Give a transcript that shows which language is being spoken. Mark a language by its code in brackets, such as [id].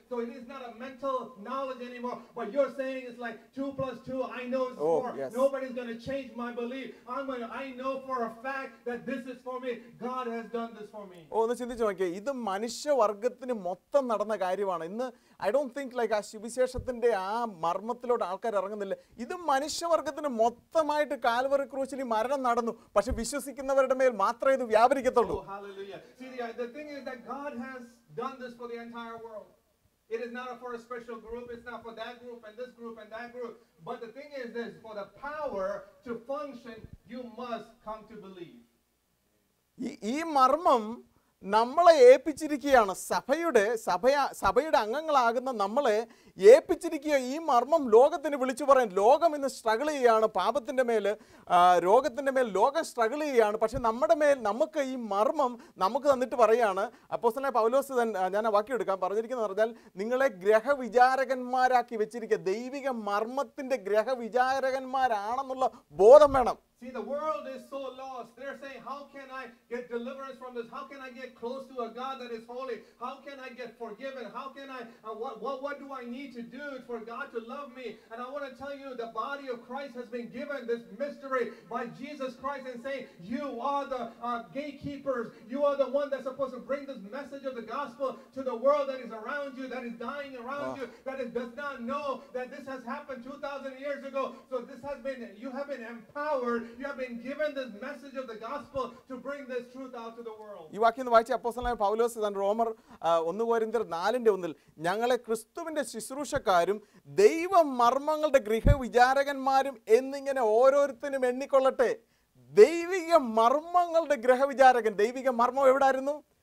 [en] So it is not a mental knowledge anymore. But you're saying it's like 2 plus 2, I know it's 4. Yes. Nobody's going to change my belief. I know for a fact that this is for me. God has done this for me. [ml] Oh, ഒന്ന് ചിന്തിച്ച് നോക്കിയേ, ഇത് മനുഷ്യവർഗത്തിന് മൊത്തം നടന്ന കാര്യമാണ്. ഇന്ന് [en] I don't think like [ml] ആ സുവിശേഷത്തിന്റെ ആ മർമ്മത്തിലോട്ട് ആൾക്കാർ ഇറങ്ങുന്നില്ല. ഇത് മനുഷ്യവർഗത്തിന് മൊത്തമായിട്ട് കാൽവറി ക്രൂശിൽ മരണം നടന്നു, പക്ഷെ വിശ്വസിക്കുന്നവരുടെ മേൽ മാത്രമേ ഇത് വ്യാപരിക്കത്തുള്ളൂ. [en] Hallelujah. See, the thing is that God has done this for the entire world. It is not for a special group. It's not for that group and this group and that group. But the thing is this, for the power to function, you must come to believe. [ml] ഈ മർമ്മം നമ്മളെ ഏൽപ്പിച്ചിരിക്കുകയാണ്. സഭയുടെ സഭയുടെ അംഗങ്ങളാകുന്ന നമ്മളെ ഏൽപ്പിച്ചിരിക്കുക. ഈ മർമ്മം ലോകത്തിന് വിളിച്ചു പറയാൻ, ലോകം ഇന്ന് സ്ട്രഗിൾ ചെയ്യുകയാണ് പാപത്തിൻ്റെ മേൽ, രോഗത്തിൻ്റെ മേൽ ലോകം സ്ട്രഗിൾ ചെയ്യുകയാണ്. പക്ഷെ നമ്മുടെ മേൽ നമുക്ക് ഈ മർമ്മം നമുക്ക് തന്നിട്ട് പറയുകയാണ് അപ്പോസ്തലനായ പൗലോസ്. ഞാൻ ആ വാക്കിയെടുക്കാം. പറഞ്ഞിരിക്കുന്നത് പറഞ്ഞാൽ നിങ്ങളെ ഗ്രഹവിചാരകന്മാരാക്കി വെച്ചിരിക്കുക, ദൈവിക മർമ്മത്തിൻ്റെ ഗ്രഹവിചാരകന്മാരാണെന്നുള്ള ബോധം വേണം. [en] See, the world is so lost. They're saying, how can I get deliverance from this? How can I get close to a God that is holy? How can I get forgiven? How can I, what do I need to do for God to love me? And I want to tell you, the body of Christ has been given this mystery by Jesus Christ and saying, you are the gatekeepers. You are the one that's supposed to bring this message of the gospel to the world that is around you, that is dying around you, that is, does not know that this has happened 2,000 years ago. So this has been, you have been empowered. You have been given this message of the gospel to bring this truth out to the world. [ml] ഈ വാക്യം വായിച്ച അപ്പോസ്തലനായ പൗലോസ് തൻ റോമർ 1 കൊരിന്ത്യർ 4:1 ഞങ്ങളെ ക്രിസ്തുവിന്റെ ശുശ്രൂഷക്കാരും ദൈവമർമ്മങ്ങളുടെ ഗൃഹവിചാരകന്മാരും എന്നിങ്ങനെ ഓരോരുത്തരും എണ്ണിക്കൊള്ളട്ടെ. ദൈവിക മർമ്മങ്ങളുടെ ഗൃഹവിചാരകൻ, ദൈവിക മർമ്മം എവിടെയായിരുന്നു?